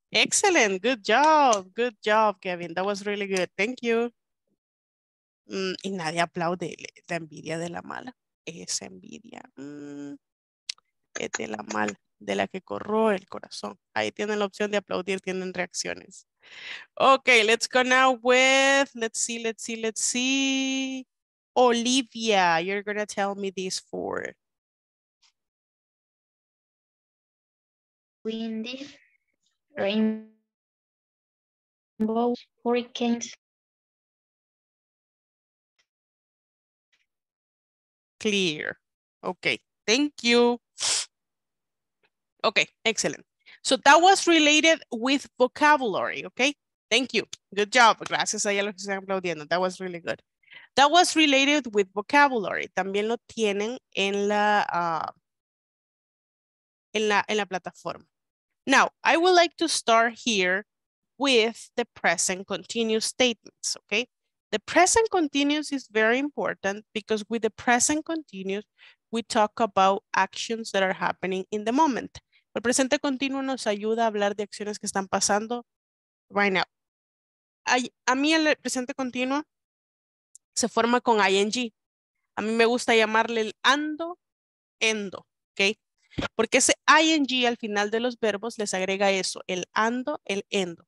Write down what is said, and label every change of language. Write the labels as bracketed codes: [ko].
[en] Excellent, good job, Kevin, that was really good, thank you. [es] Y nadie aplaude, la envidia de la mala, esa envidia, es de la mala, de la que corroe el corazón. Ahí tienen la opción de aplaudir, tienen reacciones. [en] Okay, let's go now with, let's see. Olivia, you're going to tell me these four. Windy, rainbow, hurricanes. Clear. Okay, thank you. Okay, excellent. So that was related with vocabulary, okay? Thank you. Good job. [es] Gracias a los que están aplaudiendo. [en] That was really good. That was related with vocabulary. [es] También lo tienen en la, en la plataforma. [en] Now, I would like to start here with the present continuous statements, okay? The present continuous is very important because with the present continuous, we talk about actions that are happening in the moment. [es] El presente continuo nos ayuda a hablar de acciones que están pasando [en] right now. [es] A mí el presente continuo se forma con ing. A mí me gusta llamarle el ando, endo, ¿ok? Porque ese ing al final de los verbos les agrega eso, el ando, el endo.